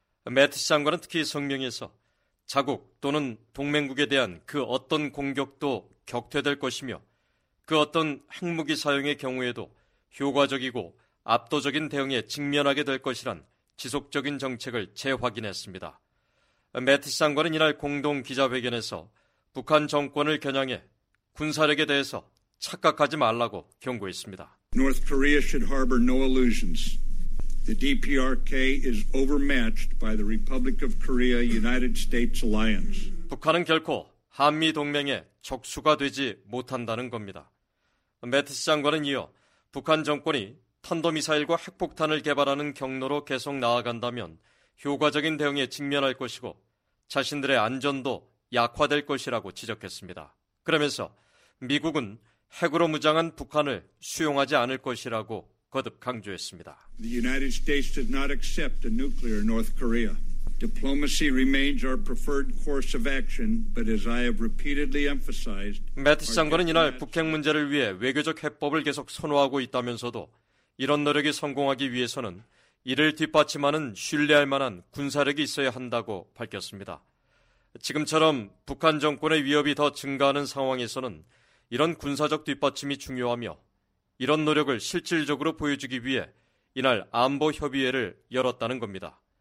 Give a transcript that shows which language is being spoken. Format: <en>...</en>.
<ko>매티스 장관은 특히 성명에서 자국 또는 동맹국에 대한 그 어떤 공격도 격퇴될 것이며 그 어떤 핵무기 사용의 경우에도 효과적이고 압도적인 대응에 직면하게 될 것이란 지속적인 정책을 재확인했습니다. 매티스 장관은 이날 공동 기자회견에서 북한 정권을 겨냥해 군사력에 대해서 착각하지 말라고 경고했습니다.</ko> <en>North Korea should harbor no illusions. The DPRK is overmatched by the Republic of Korea United States alliance.</en> <ko>북한은 결코 한미 동맹에 적수가 되지 못한다는 겁니다. 매티스 장관은 이어 북한 정권이 탄도미사일과 핵폭탄을 개발하는 경로로 계속 나아간다면 효과적인 대응에 직면할 것이고 자신들의 안전도 약화될 것이라고 지적했습니다. 그러면서 미국은 핵으로 무장한 북한을 수용하지 않을 것이라고 거듭 강조했습니다.</ko> <en>The United States does not accept a nuclear North Korea. Diplomacy remains our preferred course of action, but as I have repeatedly emphasized,</en> <ko>매티스 장관은 이날 북핵 문제를 위해 외교적 해법을 계속 선호하고 있다면서도 이런 노력이 성공하기 위해서는 이를 뒷받침하는 신뢰할 만한 군사력이 있어야 한다고 밝혔습니다. 지금처럼 북한 정권의 위협이 더 증가하는 상황에서는 이런 군사적 뒷받침이 중요하며 이런 노력을 실질적으로 보여주기 위해 이날 안보협의회를 열었다는 겁니다.</ko>